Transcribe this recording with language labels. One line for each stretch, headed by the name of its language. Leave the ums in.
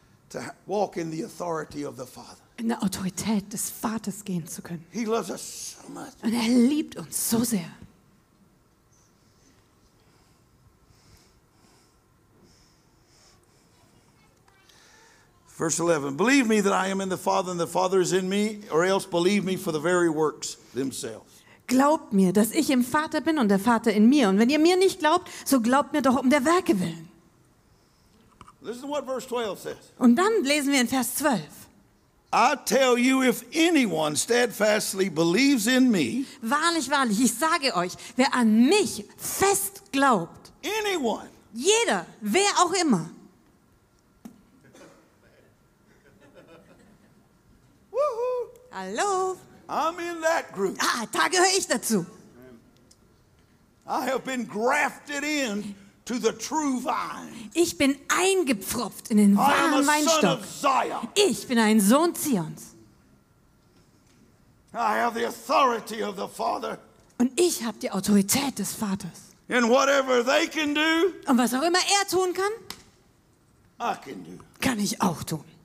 English: To walk in the authority of the Father.
German: In der Autorität des Vaters gehen zu können.
English: He loves us so much.
German: Und er liebt uns so sehr.
English: Verse 11 Believe me that I am in the Father and the Father is in me, or else believe me for the very works themselves.
German: Glaubt mir, dass ich im Vater bin und der Vater in mir. Und wenn ihr mir nicht glaubt, so glaubt mir doch um der Werke willen.
English: This is what verse 12 says.
German: Und dann lesen wir in verse 12.
English: I tell you, if anyone steadfastly believes in me,
German: wahrlich, wahrlich, ich sage euch, wer an mich fest glaubt, anyone, jeder, wer auch immer, Hallo.
English: I'm in that group.
German: Ah, da gehöre ich dazu.
English: I have been grafted in to the true vine.
German: Ich bin eingepfropft in den I wahren Weinstock.
English: A son of
German: Zion. Ich bin ein Sohn Zions.
English: I have the authority of the Father.
German: Und ich habe die Autorität des Vaters.
English: And whatever they can do,
German: Und was auch immer er tun kann, kann ich auch tun.